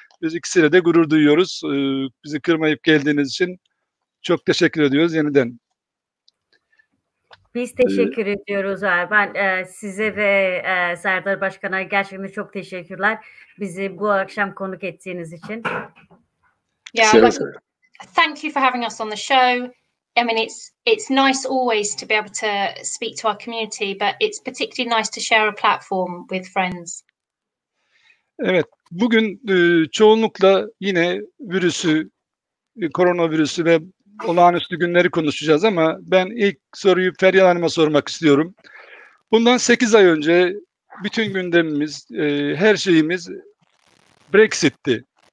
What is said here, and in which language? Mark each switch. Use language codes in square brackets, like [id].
[tr] Biz ikisiyle de gurur duyuyoruz. Bizi kırmayıp geldiğiniz için çok teşekkür ediyoruz yeniden. Biz teşekkür ediyoruz. Ben size ve Serdar Başkan'a gerçekten çok teşekkürler. Bizi bu akşam konuk ettiğiniz için. [en] Yeah, thank you for having us on the show. I mean, it's nice always to be able to speak to our community, but it's particularly nice to share a platform with friends. [tr] Evet, bugün çoğunlukla yine virüsü, koronavirüsü ve olağanüstü günleri konuşacağız ama ben ilk soruyu Feryal Hanım'a sormak istiyorum. Bundan 8 ay önce bütün gündemimiz, her şeyimiz Brexit'ti.